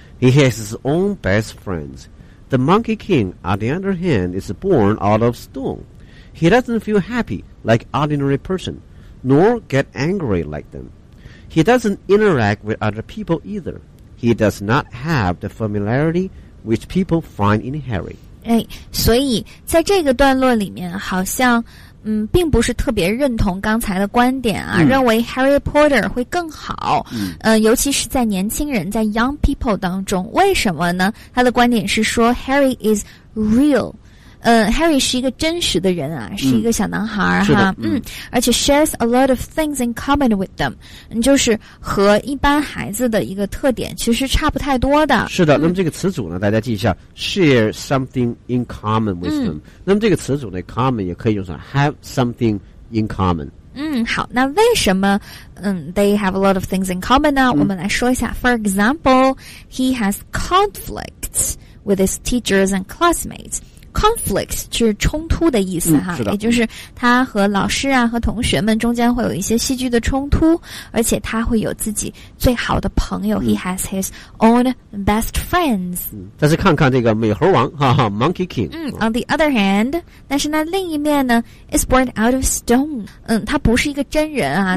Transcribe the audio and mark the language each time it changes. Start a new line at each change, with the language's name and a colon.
English: He has his own best friends. The Monkey King, on the other hand, is born out of stone. He doesn't feel happy like ordinary person, nor get angry like them. He doesn't interact with other people either. He does not have the familiarity which people find in Harry.
Chinese: 哎，所以在这个段落里面好像嗯，并不是特别认同刚才的观点啊，嗯、认为 Harry Potter 会更好。嗯、尤其是在年轻人，在
English: young people
Chinese: 当中，为什么呢？他的观点是说
English: Harry is real。
Chinese: Harry 是一个真实的人啊，是一个小男孩、嗯、哈。嗯，而且
English: shares a lot of things in common with them，
Chinese: 就是和一般孩子的一个特点其实差不太多的。是的，那么这个词组呢，大家记一下 ，
English: share something in common with them、嗯。
Chinese: 那么这个词组呢 ，common 也可以用上
English: have something in common。
Chinese: 嗯，好，那为什么
English: they have a lot of things in common
Chinese: 呢？嗯、我们来说一下
English: ，For example， he has conflicts with his teachers and classmates。
Chinese: Conflict 就是冲突的意思哈、嗯、是的，也就是他和老师啊和同学们中间会有一些戏剧的冲突，而且他会有自己最好的朋友、嗯、
English: He has his own best friends、
Chinese: 嗯、但是看看这个美猴王哈哈 Monkey King、嗯、
English: On the other hand
Chinese: 但是那另一面呢
English: is born out of stone、
Chinese: 嗯、他不是一个真人啊、